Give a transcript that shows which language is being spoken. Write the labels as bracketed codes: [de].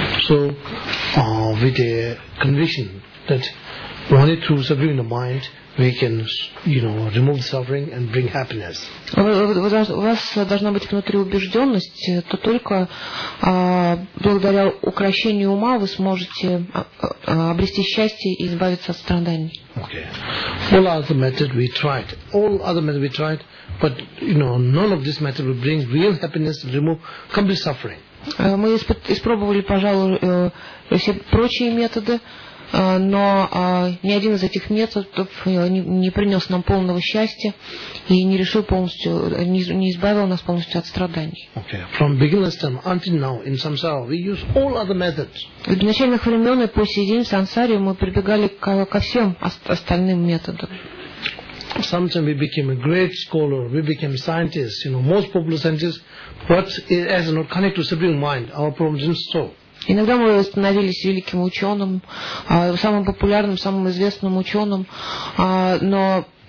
[en] With the conviction that only through subduing the mind we can, you know, remove suffering and bring happiness. [ru] У вас должна быть внутри убежденность, то только благодаря укрощению ума вы сможете обрести счастье и избавиться от страданий. [en] Okay. All other methods we tried, but you know, none of this method will bring real happiness, remove complete suffering. [ru] Мы испробовали, пожалуй, все прочие методы, но ни один из этих методов не принес нам полного счастья и не решил полностью, не избавил нас полностью от страданий. [en] Okay. From beginning time until now in samsara we use all other methods. [ru] В начальных времен и по сей день в сансаре мы прибегали ко всем остальным методам. [en] Sometimes we became a great scholar, we became scientists, you know, most popular scientists, but it has not connected to subduing mind, our problem didn't solve. [ru] Иногда мы становились великим ученым, самым популярным, самым известным ученым, но...